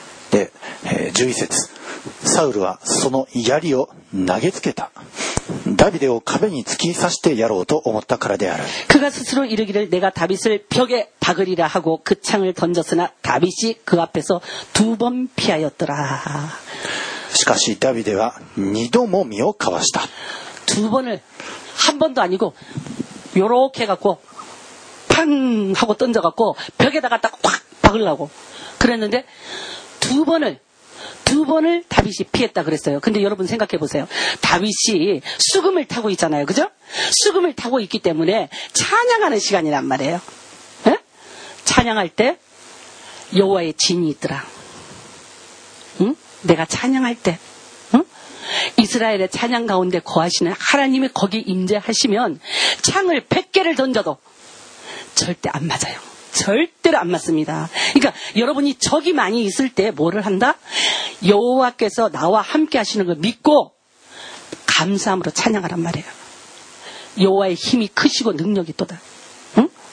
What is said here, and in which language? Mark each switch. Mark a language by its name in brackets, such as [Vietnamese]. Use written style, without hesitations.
[Japanese] で、11節サウルはその槍を投げつけたダビデを壁に突き刺してやろうと思ったからである [Korean] 그가스스로이르기를내가다윗을벽에박으리라하고그창을던졌으나다윗이그앞에서두번피하였더라 [Japanese] しかしダビデは二度も身をかわした [Korean] 두번을한번도아니고요렇게갖고팡하고던져갖고벽에다가딱콱박으려고그랬는데두 번을 다윗이 피했다 그랬어요. 근데 여러분 생각해 보세요. 다윗이 수금을 타고 있잖아요. 그죠? 수금을 타고 있기 때문에 찬양하는 시간이란 말이에요. 에? 찬양할 때 여호와의 진이 있더라. 응? 내가 찬양할 때 응? 이스라엘의 찬양 가운데 거하시는 하나님이 거기 임재하시면 창을 100개를 던져도 절대 안 맞아요. 절대로안맞습니다그러니까여러분이적이많이있을때뭐를한다여호와께서나와함께하시는걸믿고감사함으로찬양하란말이에요여호와의힘이크시고능력이또다응